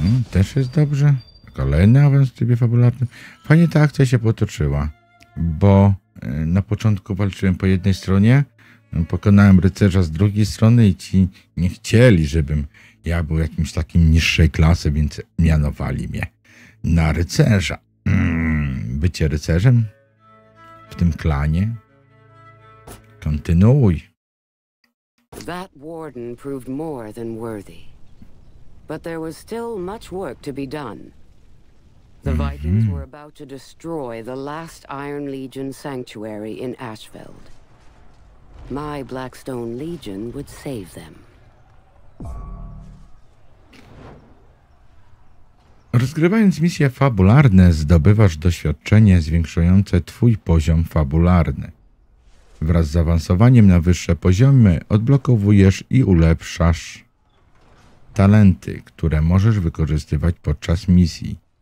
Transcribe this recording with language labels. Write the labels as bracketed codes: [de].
[pl] Też jest dobrze. Kolejny awans w trybie fabularnym. Fajnie ta akcja się potoczyła, bo na początku walczyłem po jednej stronie, pokonałem rycerza z drugiej strony i ci nie chcieli, żebym ja był jakimś takim niższej klasy, więc mianowali mnie na rycerza. Bycie rycerzem w tym klanie. Kontynuuj. [en] That warden proved more than worthy. But there was still much work to be done. The Vikings were about to destroy the last Iron Legion sanctuary in Ashfeld. My Blackstone Legion would save them. [pl] Rozgrywając misje fabularne, zdobywasz doświadczenie zwiększające twój poziom fabularny. Wraz z awansowaniem na wyższe poziomy odblokowujesz i ulepszasz talenty, które możesz wykorzystywać podczas misji.